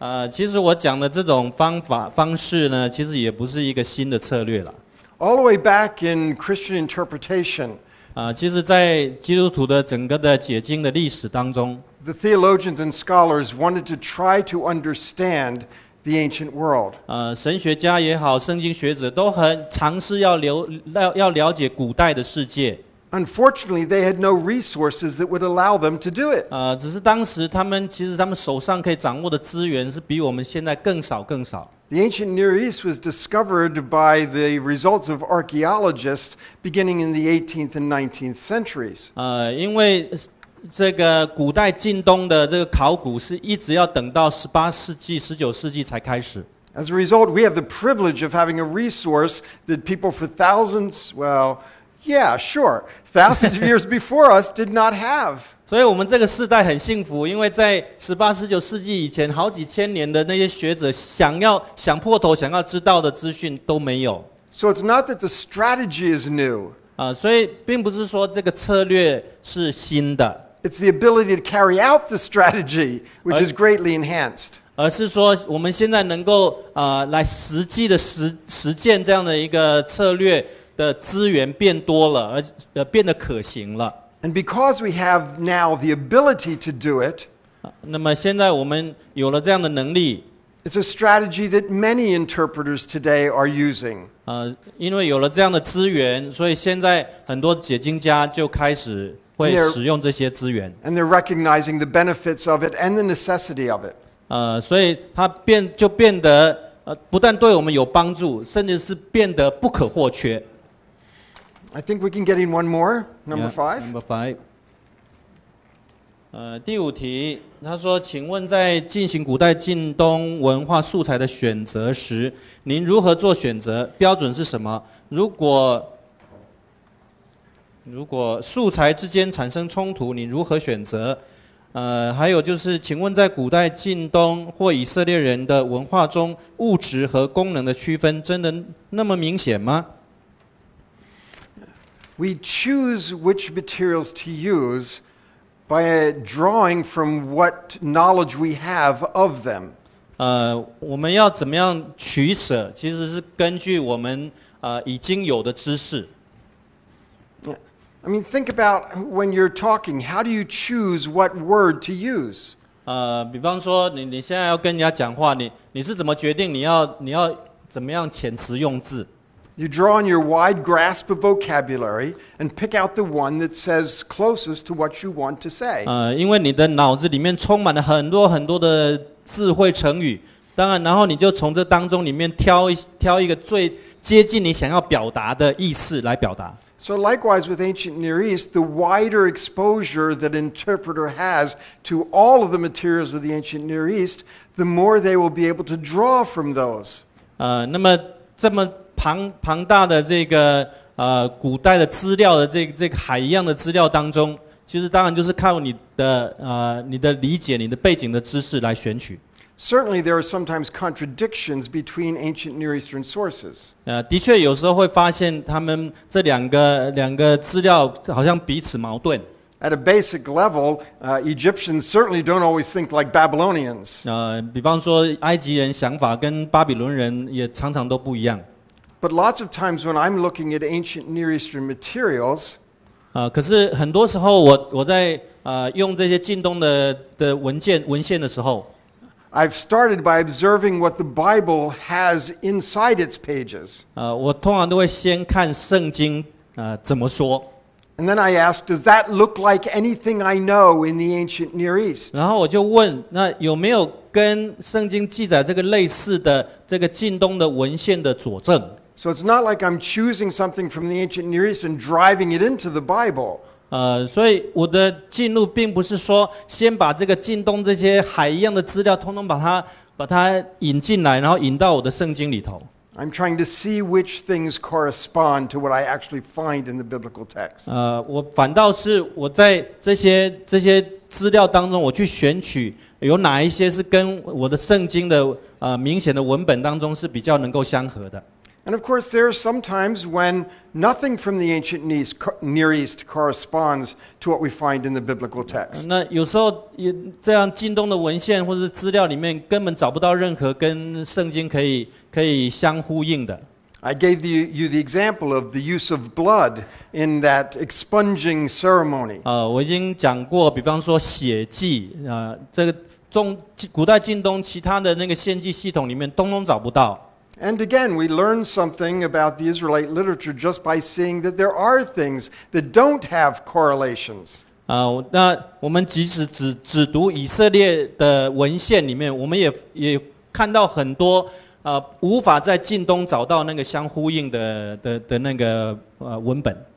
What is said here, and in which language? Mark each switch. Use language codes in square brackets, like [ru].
[zh] 其实我讲的这种方式呢，其实也不是一个新的策略了。 [en] All the way back in Christian interpretation. [zh] 其实在基督徒的整个的解经的历史当中 [en] ，The theologians and scholars wanted to try to understand. The ancient world. [zh] 神学家也好，圣经学者都很尝试要了解古代的世界。 [en] Unfortunately, they had no resources that would allow them to do it. [zh] 只是当时他们手上可以掌握的资源是比我们现在更少。 [en] The ancient Near East was discovered by the results of archaeologists beginning in the 18th and 19th centuries. [zh] 因为这个古代近东的这个考古是一直要等到十八世纪、十九世纪才开始。 [en] As a result, we have the privilege of having a resource that people for thousands of years before us did not have. [zh] 所以我们这个世代很幸福，因为在十八、十九世纪以前，好几千年的那些学者想破头想要知道的资讯都没有。 [en] So it's not that the strategy is new. [zh] 所以并不是说这个策略是新的。 [en] It's the ability to carry out the strategy, which is greatly enhanced. [zh] 而是说我们现在能够来实际的实践这样的一个策略的资源变多了，而变得可行了。 [en] And because we have now the ability to do it, [zh] 那么现在我们有了这样的能力。 [en] It's a strategy that many interpreters today are using. [zh] 因为有了这样的资源，所以现在很多解经家就开始。会使用这些资源 [en] and they're recognizing the benefits of it and the necessity of it. [zh] 所以它变得不但对我们有帮助，甚至是变得不可或缺。 [en] I think we can get in one more, number five. Number five. [zh] 第五题，他说：“请问在进行古代近东文化素材的选择时，您如何做选择？标准是什么？如果素材之间产生冲突，你如何选择？还有就是，请问在古代近东或以色列人的文化中，物质和功能的区分真的那么明显吗 [en] ？We choose which materials to use by drawing from what knowledge we have of them. [zh] 我们要怎么样取舍？其实是根据我们已经有的知识。 [en] I mean, think about when you're talking. How do you choose what word to use? [zh] 比方说你现在要跟人家讲话，你是怎么决定你要怎么样遣词用字 [en] ？You draw on your wide grasp of vocabulary and pick out the one that says closest to what you want to say. [zh] 因为你的脑子里面充满了很多很多的智慧成语，当然，然后你就从这当中里面挑一个最接近你想要表达的意思来表达。 [en] So likewise with ancient Near East, the wider exposure that an interpreter has to all of the materials of the ancient Near East, the more they will be able to draw from those. [zh] 那么这么庞大的这个古代的资料的这个海一样的资料当中，其实当然就是靠你的理解、你的背景的知识来选取。 [en] Certainly, there are sometimes contradictions between ancient Near Eastern sources. [zh] 的确有时候会发现他们这两个资料好像彼此矛盾。 [en] At a basic level, Egyptians certainly don't always think like Babylonians. [zh] 比方说埃及人想法跟巴比伦人也常常都不一样。 [en] But lots of times when I'm looking at ancient Near Eastern materials, [zh] 可是很多时候我在用这些近东的文献的时候。 [en] I've started by observing what the Bible has inside its pages. [zh] 我通常都会先看圣经，怎么说。 [en] And then I ask, does that look like anything I know in the ancient Near East? [zh] 然后我就问，那有没有跟圣经记载这个类似的这个近东的文献的佐证？ [en] So it's not like I'm choosing something from the ancient Near East and driving it into the Bible. [zh] 所以我的进入并不是说先把这个近东这些海一样的资料通通把它引进来，然后引到我的圣经里头。 [en] I'm trying to see which things correspond to what I actually find in the biblical text. [zh] 我反倒是我在这些资料当中，我去选取有哪一些是跟我的圣经的明显的文本当中是比较能够相合的。 [en] And of course, there are sometimes when nothing from the ancient Near East corresponds to what we find in the biblical text. [zh] 那有时候也这样，近东的文献或者资料里面根本找不到任何跟圣经可以相呼应的。 [en] I gave you the example of the use of blood in that expunging ceremony. [zh] 我已经讲过，比方说血祭，这个古代近东其他的那个献祭系统里面，通通找不到。 [en] And again, we learn something about the Israelite literature just by seeing that there are things that don't have correlations. [zh] 那我们即使只读以色列的文献里面，我们也看到很多无法在近东找到那个相呼应的那个文本。